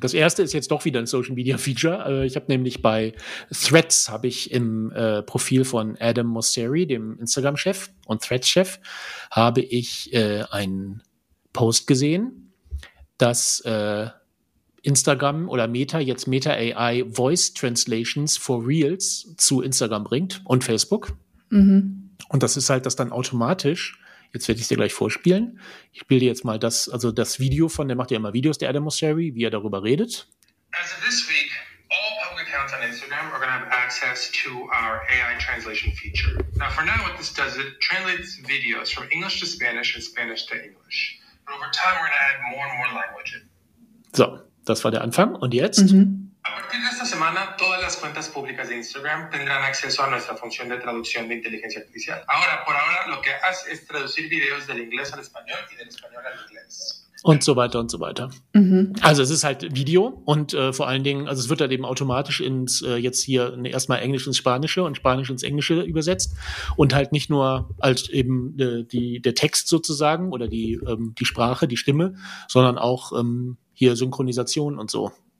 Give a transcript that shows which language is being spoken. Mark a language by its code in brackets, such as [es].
[de] Das erste ist jetzt doch wieder ein Social-Media-Feature. Ich habe nämlich bei Threads, habe ich im Profil von Adam Mosseri, dem Instagram-Chef und Threads-Chef, habe ich einen Post gesehen, dass Instagram oder Meta jetzt Meta AI Voice Translations for Reels zu Instagram bringt und Facebook. Mhm. Und das ist halt, dass dann automatisch, jetzt werde ich es dir gleich vorspielen, ich spiele dir jetzt mal das, also das Video von, der macht ja immer Videos, der Adam Mosseri, wie er darüber redet. [en] As of this week, all public accounts on Instagram are going to have access to our AI translation feature. Now for now, what this does, it translates videos from English to Spanish and Spanish to English. Over time, we're going to add more and more languages. [de] So, das war der Anfang. Und jetzt? [es] A partir de esta semana, todas las cuentas públicas de Instagram tendrán acceso a nuestra función de traducción de inteligencia artificial. Ahora, por ahora, lo que hace es traducir videos del inglés al español y del español al inglés. [de] Und so weiter und so weiter. Mhm. Also es ist halt Video und vor allen Dingen, also es wird halt eben automatisch ins jetzt hier erstmal Englisch ins Spanische und Spanisch ins Englische übersetzt und halt nicht nur als eben der Text sozusagen oder die Sprache, die Stimme, sondern auch hier Synchronisation und so.